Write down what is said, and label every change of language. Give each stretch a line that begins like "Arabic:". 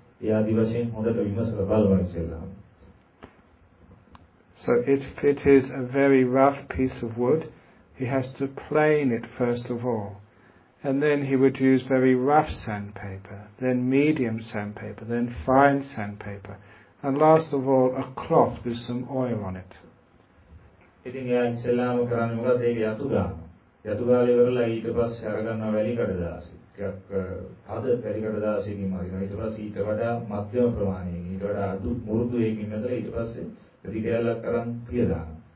Sinhala: ඒ ආදි වශයෙන් හොඳට විමසලා බලනවා ඉස්සෙල්ලා.
English: So if it is a very rough piece of wood, he has to plane it first of all, and then he would use very rough sandpaper, then medium sandpaper, then fine sandpaper, and last of all a cloth with some oil on it.
Sinhala: ඉතින් එයා ඉස්සෙල්ලාම කරන්න ඕනේ ඒක යතු ගන්න. යතු ගාලා ඉවරලා ඊට පස්සේ අරගන්න වැලි කඩදාසි. ටිකක් තද වැලි කඩදාසියකින් මාරිනවා. ඊට පස්සේ ඊට වඩා මධ්‍යම ප්‍රමාණයකින් ඊට වඩා අඩු මුරුදුයකින් නැතර ඊට පස්සේ රිදෙලක් කරන් පිය දානවා.